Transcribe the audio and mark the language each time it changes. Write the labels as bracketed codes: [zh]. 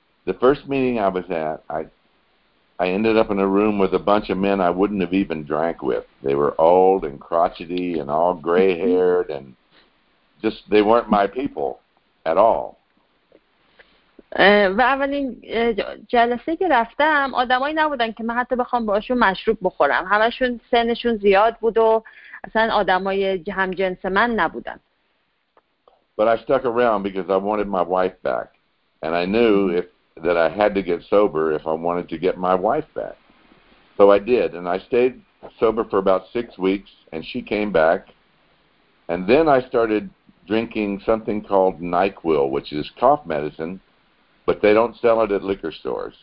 [en] The first meeting I was at, I ended up in a room with a bunch of men I wouldn't have even drank with. They were old and crotchety and all gray-haired and just they weren't my people at all. [fa] و اولین جلسه که رفتم آدمایی نبودن که من حتی بخوام باهاشون مشروب بخورم. همشون سنشون زیاد بود و اصلا آدمای هم جنس من نبودن. [en] But I stuck around because I wanted my wife back and I knew if that I had to get sober if I wanted to get my wife back. So I did, and I stayed sober for about 6 weeks, and she came back. And then I started drinking something called NyQuil, which is cough medicine, but they don't sell it at liquor stores.